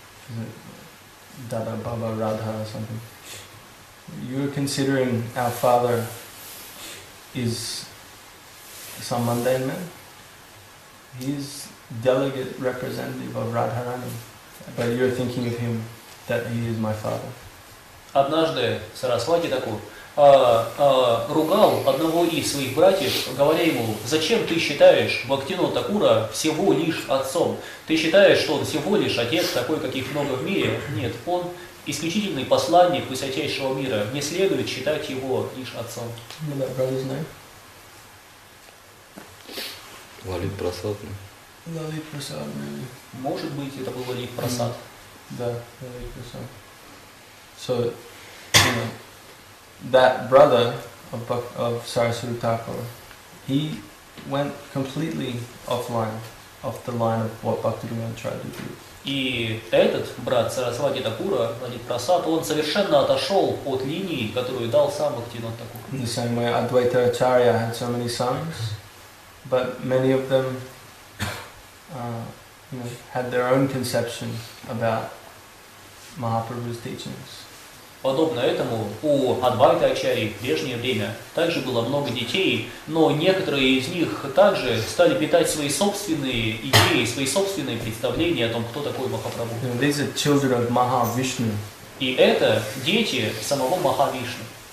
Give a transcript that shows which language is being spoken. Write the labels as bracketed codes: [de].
[en] Is it Dada Baba Radha or something? You're considering our father is some mundane man? He's delegate representative of Radharani. But you're thinking of him that he is my father. [ru] Однажды Сарасвати Такур ругал одного из своих братьев, говоря ему: «Зачем ты считаешь Бхактинода Такура всего лишь отцом? Ты считаешь, что он всего лишь отец, такой, каких много в мире? Нет, он исключительный посланник высочайшего мира. Не следует считать его лишь отцом». Лалит Прасад. Лалит Прасад. Может быть, это был Лалит Прасад. Да, Лалит Прасад. [en] So, you know, that brother of Sarasvati Thakur, he went completely offline of the line of what Bhaktivinoda tried to do. [ru] И этот брат Сарасвати Такура, Лалит Прасад, он совершенно отошел от линии, которую дал сам Бхактивинода Такур. [en] In the same way, Advaita Acharya had so many sons, but many of them had their own conception about Mahaprabhu's teachings. [ru] Подобно этому, у Адвайты Ачарьи в прежнее время также было много детей, но некоторые из них также стали питать свои собственные идеи, свои собственные представления о том, кто такой Махапрабху. [en] You know, these are children of Mahavishnu. [ru] И это дети самого Махавишну.